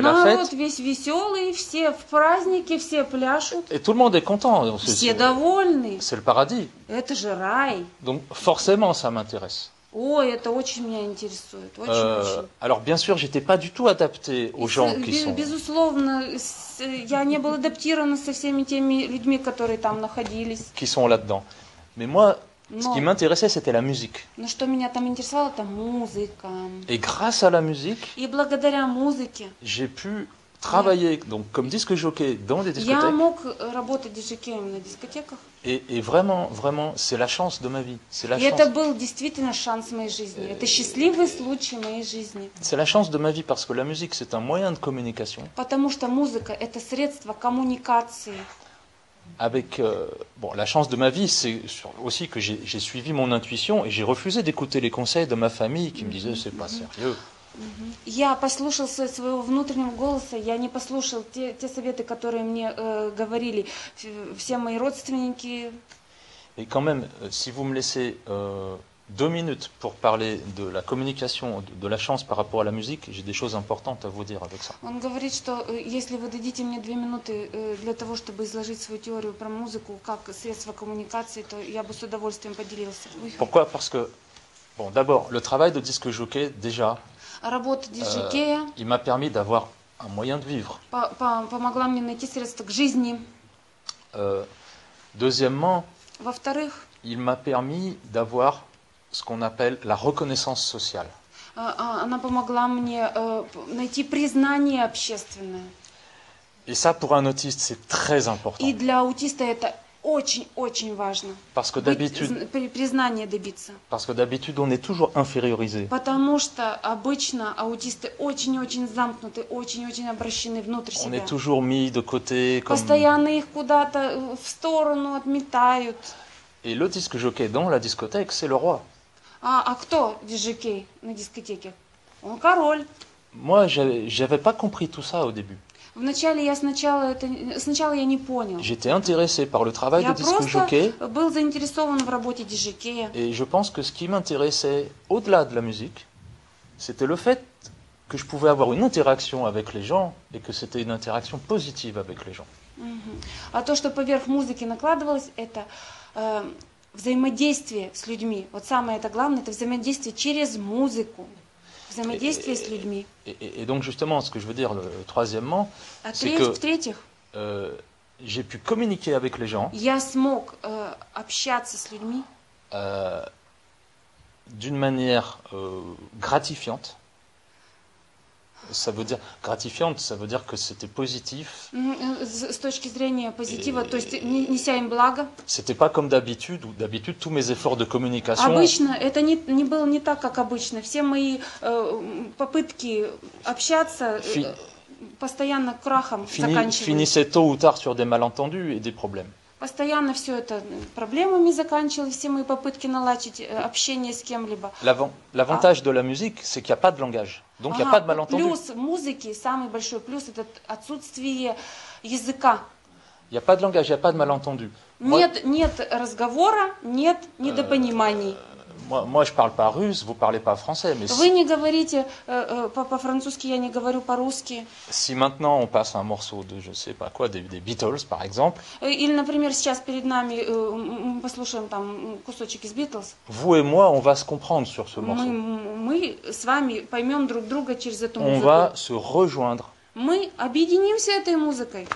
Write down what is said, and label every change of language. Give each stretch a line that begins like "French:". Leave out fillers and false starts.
Russian: народ
French: la fête.
Russian: Народ весь веселый, все в празднике, все пляшут.
French: Et tout le monde est content.
Russian: Все довольны.
French: C'est le paradis.
Russian: Это же рай.
French: Donc forcément, ça m'intéresse.
Russian: Ой, это очень меня интересует. Очень, очень.
French: Alors bien sûr, j'étais pas du tout adapté aux gens qui sont.
Russian: Безусловно, я не был адаптирован со всеми теми людьми, которые там находились.
French: Qui sont là-dedans. Mais moi, ce qui m'intéressait, c'était la musique.
Russian: Но что меня там интересовало, это музыка.
French: Et grâce à la musique.
Russian: И благодаря музыке.
French: J'ai pu travailler donc comme disque jockey dans des discothèques.
Russian: Я мог работать диджеем на дискотеках.
French: Et vraiment, vraiment, c'est la chance de ma vie. C'est la chance.
Russian: Это был действительно шанс моей жизни. Это счастливый случай моей жизни.
French: C'est la chance de ma vie parce que la musique c'est un moyen de communication.
Russian: Потому что музыка это средство коммуникации.
French: Avec la chance de ma vie, c'est aussi que j'ai suivi mon intuition et j'ai refusé d'écouter les conseils de ma famille qui me disaient c'est pas sérieux.
Russian: Я послушался своего внутреннего голоса, я не послушал те советы, которые мне говорили все мои родственники.
French: Et quand même, si vous me laissez deux minutes pour parler de la communication, de la chance par rapport à la musique, j'ai des choses importantes à vous dire avec ça.
Russian: Он говорит, что если вы дадите мне две минуты для того, чтобы изложить свою теорию про музыку как средство коммуникации, то я бы с удовольствием поделился.
French: Pourquoi? Parce que, bon, d'abord, le travail de disque jockey, déjà,
Russian: работа диджея.
French: Il m'a permis d'avoir un moyen de vivre.
Russian: Помогла мне найти средства к жизни.
French: Deuxièmement.
Russian: Во-вторых.
French: Il m'a permis d'avoir ce qu'on appelle la reconnaissance sociale.
Russian: Она помогла мне найти признание общественное.
French: Et ça pour un autiste c'est très important.
Russian: И для аутиста это очень-очень важно.
French: Parce que d'habitude,
Russian: признание добиться.
French: Parce que d'habitude, on est toujours infériorisé.
Russian: Потому что обычно аутисты очень-очень замкнуты, очень-очень обращены внутрь себя.
French: On est toujours mis de côté, comme...
Russian: Постоянно их куда-то в сторону отметают.
French: Et le disque jockey dans la discothèque, c'est le roi.
Russian: А кто диджей на дискотеке? Он король.
French: Moi, j'avais pas compris tout ça au début.
Russian: Вначале я сначала я не понял.
French: J'étais intéressé par le travail de disque jockey.
Russian: Я просто был заинтересован в работе диджея.
French: Et je pense que ce qui m'intéressait au-delà de la musique, c'était le fait que je pouvais avoir une interaction avec les gens et que c'était une interaction positive avec les gens.
Russian: А то, что поверх музыки накладывалось, это взаимодействие с людьми. Вот самое это главное, это взаимодействие через музыку. Взаимодействие с людьми.
French: Et donc justement, ce que je veux dire, troisièmement, c'est que j'ai pu communiquer avec les gens.
Russian: Я смог общаться с людьми.
French: D'une manière gratifiante. Ça veut dire gratifiante, ça veut dire que c'était positif.
Russian: С точки зрения позитива, то есть неся им благо.
French: C'était pas comme d'habitude, où d'habitude tous mes efforts de communication.
Russian: Обычно это не было не так, как обычно. Все мои попытки общаться постоянно крахом заканчивались.
French: Finissaient tôt ou tard sur des malentendus et des problèmes.
Russian: Постоянно все это проблемами заканчивалось, все мои попытки наладить общение с кем-либо.
French: L'avantage de la musique, c'est qu'il y a pas de langage. Donc, y a pas de malentendu.
Russian: Плюс музыки, самый большой плюс, это отсутствие языка.
French: Y a pas de langage, y a pas de malentendu.
Russian: Нет разговора, нет недопониманий.
French: Moi, je parle pas russe, vous parlez pas français. Mais
Russian: вы не говорите по-французски, я не говорю по-русски.
French: Si maintenant on passe un morceau de, je sais pas quoi, des Beatles, par exemple.
Russian: Или, например, сейчас перед нами мы послушаем там кусочек из Beatles.
French: Vous et moi, on va se comprendre sur ce morceau.
Russian: Мы с вами поймем друг друга через эту музыку.
French: On va se rejoindre.
Russian: Мы объединимся этой музыкой.